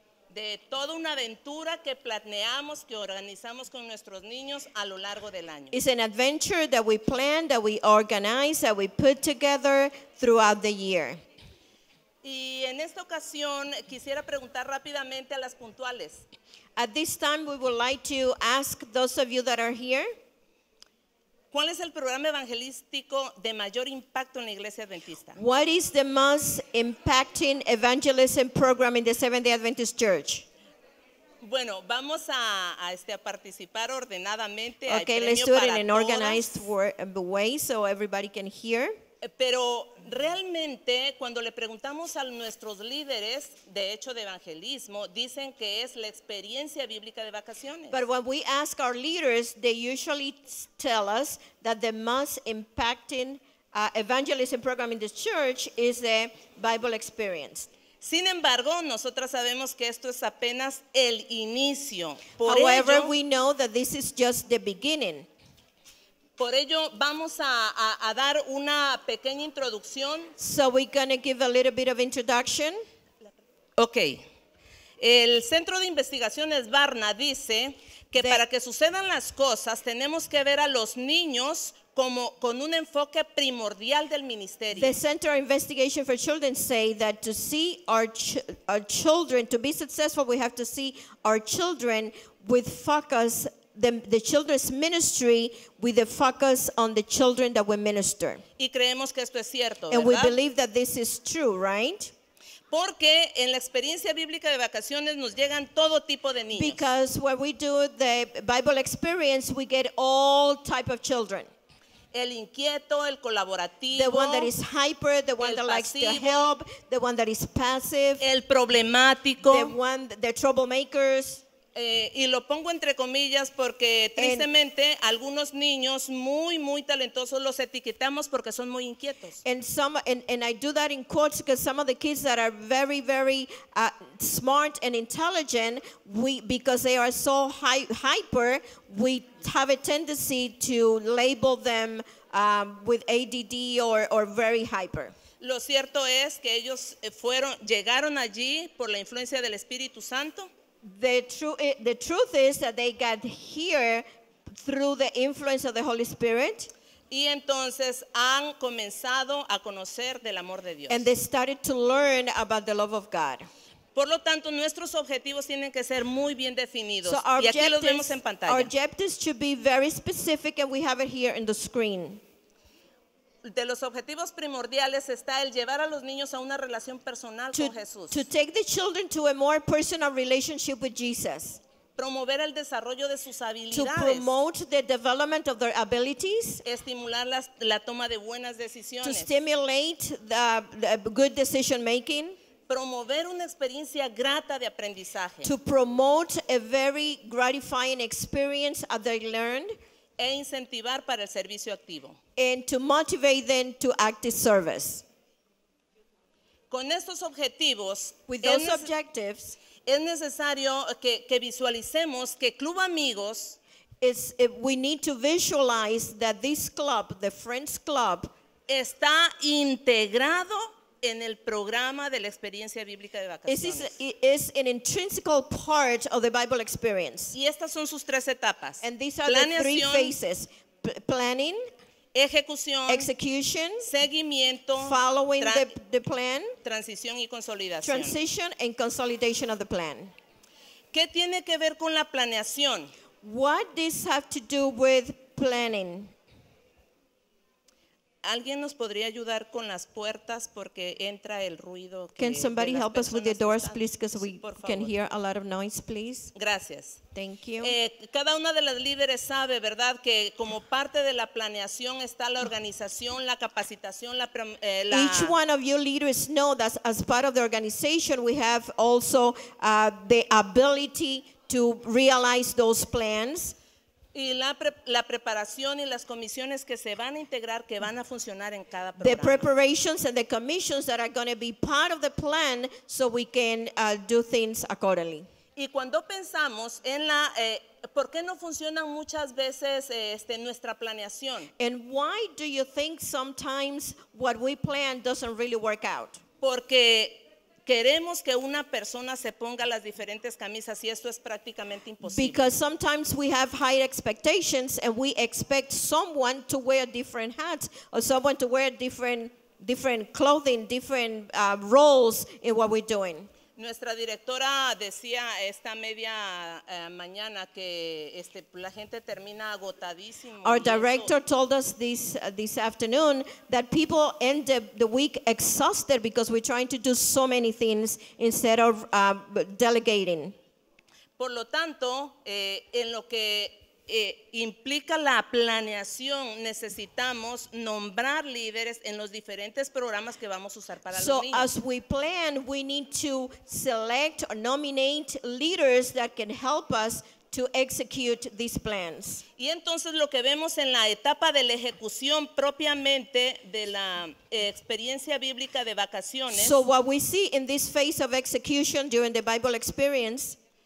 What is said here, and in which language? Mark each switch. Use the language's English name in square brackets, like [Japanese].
[Spanish] De toda una aventura que planeamos, que organizamos con nuestros niños a lo largo del año. [English] It's an adventure that we plan, that we organize, that we put together throughout the year. [Spanish] Y en esta ocasión quisiera preguntar rápidamente a las puntuales. [English] At this time, we would like to ask those of you that are here. [Spanish] ¿Cuál es el programa evangelístico de mayor impacto en la Iglesia Adventista? [English] What is the most impacting evangelism program in the Seventh-day Adventist Church? [Spanish] Bueno, vamos a participar ordenadamente. [English] Okay, let's do it in an organized way so everybody can hear. [Spanish] Pero realmente, cuando le preguntamos a nuestros líderes, de hecho de evangelismo, dicen que es la experiencia bíblica de vacaciones. [English] But when we ask our leaders, they usually tell us that the most impacting evangelism program in the church is the Bible experience. [Spanish] Sin embargo, nosotras sabemos que esto es apenas el inicio. [English] We know that this is just the beginning. [Spanish] Por ello, vamos a dar una pequeña introducción. [English] So we're going to give a little bit of introduction. Okay. [Spanish] El Centro de Investigaciones Barna dice que para que sucedan las cosas, tenemos que ver a los niños como con un enfoque primordial del ministerio. [English] The Center of Investigation for Children say that to see our children, to be successful, we have to see our children with focus. The children's ministry with the focus on the children that we minister. [Spanish] Y creemos que esto es cierto, [English] and [Spanish] ¿verdad? [English] We believe that this is true, right? [Spanish] Porque en la experiencia bíblica de vacaciones nos llegan todo tipo de niños. [English] Because when we do the Bible experience, we get all type of children. [Spanish] El inquieto, el colaborativo, [English] the one that is hyper, the one that [Spanish] pasivo, [English] likes to help, the one that is passive, [Spanish] el problemático, [English] the troublemakers. [Spanish] Y lo pongo entre comillas porque tristemente algunos niños muy muy talentosos los etiquetamos porque son muy inquietos. [English] And I do that in quotes because some of the kids that are very very smart and intelligent, because they are so hyper, we have a tendency to label them with ADD or very hyper. [Spanish] Lo cierto es que ellos llegaron allí por la influencia del Espíritu Santo. [English] The truth is that they got here through the influence of the Holy Spirit. [Spanish] Y entonces han comenzado a conocer del amor de Dios. [English] And they started to learn about the love of God. [Spanish] Por lo tanto, nuestros objetivos tienen que ser muy bien definidos. [English] So [Spanish] y aquí los vemos en pantalla. [English] Our objectives should be very specific, and we have it here in the screen. [Spanish] De los objetivos primordiales está el llevar a los niños a una relación personal con Jesús. [English] To take the children to a more personal relationship with Jesus. [Spanish] Promover el desarrollo de sus habilidades. [English] To promote the development of their abilities. [Spanish] Estimular la toma de buenas decisiones. [English] To stimulate the good decision making. [Spanish] Promover una experiencia grata de aprendizaje. [English] To promote a very gratifying experience as they learned. [Spanish] E incentivar para el servicio activo. [English] And to motivate them to active service. [Spanish] Con estos objetivos, [English] with those objectives, [Spanish] es necesario que visualicemos que Club Amigos [English] is, we need to visualize that this club, the Friends Club, [Spanish] está integrado en el programa de la experiencia bíblica de vacaciones. [English] This is an intrinsical part of the Bible experience. [Spanish] Y estas son sus tres etapas. [English] And these are the three phases. Planning, [Spanish] ejecución, [English] execution, [Spanish] seguimiento, [English] following the plan, [Spanish] transición y consolidación. [English] Transition and consolidation of the plan. [Spanish] ¿Qué tiene que ver con la planeación? [English] What does this have to do with planning? [Spanish] alguien nos podría ayudar con las puertas porque entra el ruido. [English] Can somebody help us with the doors, please, because we can hear a lot of noise, please. [Spanish] Gracias. [English] Thank you. [Spanish] Cada una de las líderes sabe, ¿verdad?, que como parte de la planeación está la organización, la capacitación, la [English] Each one of you leaders know that as part of the organization we have also the ability to realize those plans. [Spanish] Y la preparación y las comisiones que se van a integrar, que van a funcionar en cada programa. [English] The preparations and the commissions that are going to be part of the plan so we can do things accordingly. [Spanish] Y cuando pensamos en la, ¿por qué no funcionan muchas veces nuestra planeación? [English] And why do you think sometimes what we plan doesn't really work out? [Spanish] Porque queremos que una persona se ponga las diferentes camisas y esto es prácticamente imposible. [English] Because sometimes we have high expectations and we expect someone to wear different hats or someone to wear different clothing, different roles in what we're doing. [Spanish] Nuestra directora decía esta media mañana que la gente termina agotadísimo. [English] Our director told us this afternoon that people end the week exhausted because we're trying to do so many things instead of delegating. [Spanish] Por lo tanto, en lo que implica la planeación, necesitamos nombrar líderes en los diferentes programas que vamos a usar para los niños. [English] So as we plan, we need to select or nominate leaders that can help us to execute these plans. [Spanish] Y entonces lo que vemos en la etapa de la ejecución propiamente de la experiencia bíblica de vacaciones. [English] So what we see in this phase of execution during the Bible experience.